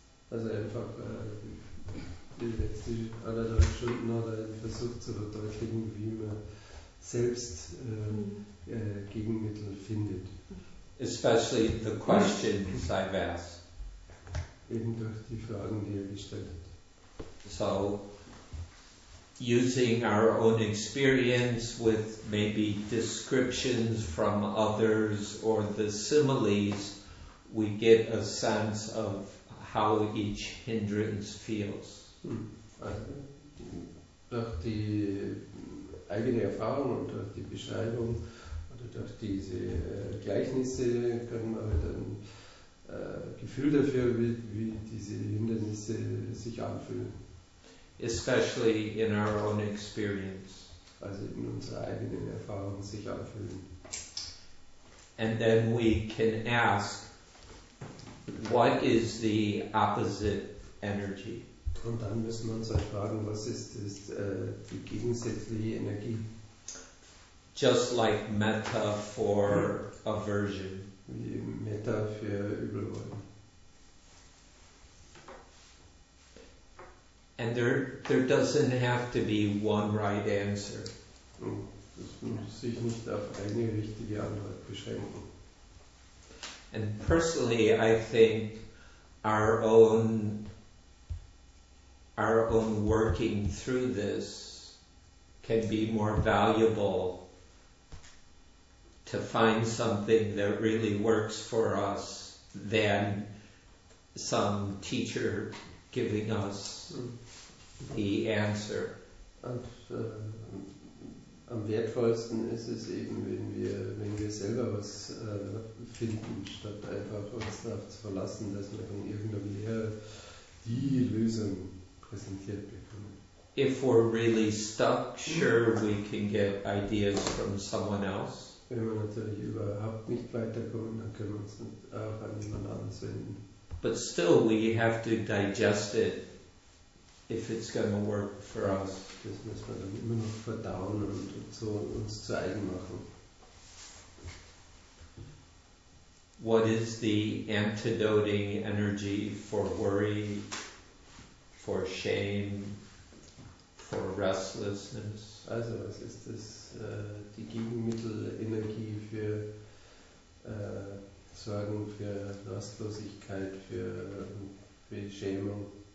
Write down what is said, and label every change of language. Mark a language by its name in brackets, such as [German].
[German] Also einfach die letzte anderthalb Stunden oder versucht zu verdeutlichen, wie man selbst Gegenmittel findet. [English] Especially the questions I've asked. [German] Eben durch die Fragen, die er gestellt hat. [English] So, using our own experience with maybe descriptions from others or the similes, we get a sense of how each hindrance feels. [German] Also, durch die eigene Erfahrung und durch die Beschreibung oder durch diese Gleichnisse können wir dann Gefühl dafür, wie diese Hindernisse sich anfühlen. [English] Especially in our own experience. [German] Also in unserer eigenen Erfahrung sich anfühlen. [English] And then we can ask, what is the opposite energy? [German] Und dann müssen wir uns fragen, was ist das, die gegensätzliche Energie? [English] Just like metta for aversion. [German] Wie Metta für Übelwollen. [English] And there doesn't have to be one right answer. [German] Das muss sich nicht auf eine richtige Antwort beschränken. [English] And personally, I think our own working through this can be more valuable to find something that really works for us than some teacher giving us the answer. [German] Und am wertvollsten ist es eben, wenn wir selber was finden, statt einfach uns darauf zu verlassen, dass wir von irgendeinem Lehrer die Lösung präsentiert bekommen. [English] If we're really stuck, sure, we can get ideas from someone else. [German] Wenn wir natürlich überhaupt nicht weiterkommen, dann können wir uns auch an jemand anderes wenden. [English] But still, we have to digest it if it's going to work for us. [German] Das müssen wir dann immer noch verdauen und uns zu eigen machen. [English] What is the antidoting energy for worry, for shame, for restlessness? [German] Also, was ist das, die Gegenmittelenergie für Sorgen, für Rastlosigkeit, für Schämung?